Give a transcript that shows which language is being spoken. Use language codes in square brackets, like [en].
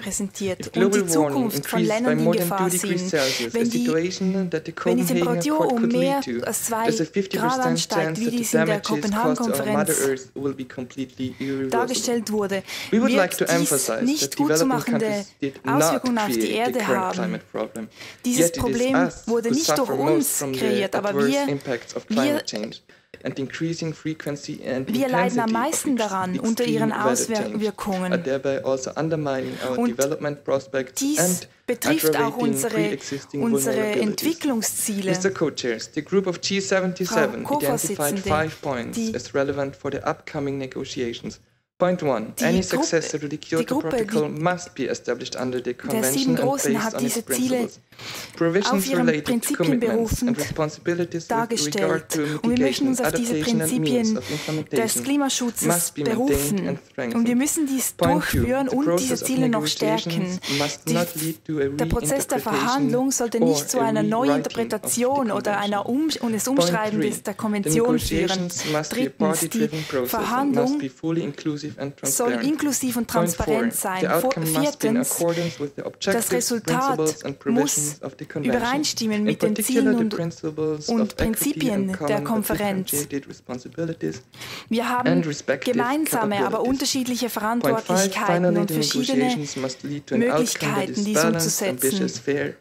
[en] If global warming increases by more than 2 degrees Celsius, a situation that the Copenhagen Accord could lead to, there's a 50% chance that the damages caused to our Mother Earth will be completely irreversible. We would like to emphasize that developing countries did not create the current climate problem. [de] Dieses Problem wurde nicht durch uns kreiert, aber wir leiden am meisten daran unter ihren Auswirkungen. Und dies betrifft auch unsere Entwicklungsziele. [en] Mr. Co-Chairs, the group of G77 identified 5 points as relevant for the upcoming negotiations. Point one, any successor to the Kyoto Protocol must be established under the Convention and based on its principles. Provisions related to commitments and responsibilities with regard to mitigation, adaptation and means of implementation must be maintained and strengthened. Point two, the process of negotiations must not lead to a reinterpretation or a rewriting of the Convention. Point three, the negotiations must be a party-driven process and must be fully inclusive. [de] Soll inklusiv und transparent sein. Viertens, das Resultat muss übereinstimmen mit den Zielen und Prinzipien der Konferenz. Wir haben gemeinsame, aber unterschiedliche Verantwortlichkeiten und verschiedene Möglichkeiten, dies umzusetzen.